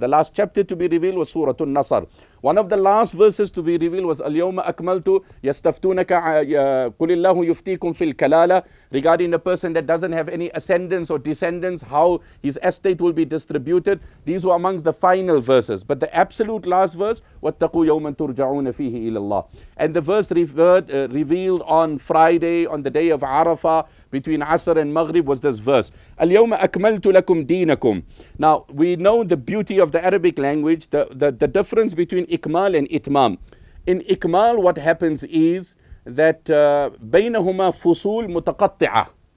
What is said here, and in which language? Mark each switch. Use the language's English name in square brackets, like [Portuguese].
[English] The last chapter to be revealed was Surah An-Nasr. One of the last verses to be revealed was [Arabic] الْيَوْمَ أَكْمَلْتُ يَسْتَفْتُونَكَ قُلِ اللَّهُ يُفْتِيكُمْ فِي الْكَلَالَةِ, [English] regarding a person that doesn't have any ascendance or descendants, how his estate will be distributed. These were amongst the final verses. But the absolute last verse, [Arabic] وَاتَّقُوا يَوْمًا تُرْجَعُونَ فِيهِ إِلَى اللَّهِ. [English] And the verse revealed on Friday, on the day of Arafah, between Asr and Maghrib, was this verse. [Arabic] الْيَوْمَ أَكْمَلْتُ لَكُمْ دِينَكُمْ. [English] Now, we know the beauty of the Arabic language, the difference between إِكْمَال and إِتْمَام. In إِكْمَال, what happens is that [Arabic] بَيْنَهُمَا فُصُول مُتَقَطِّعَ.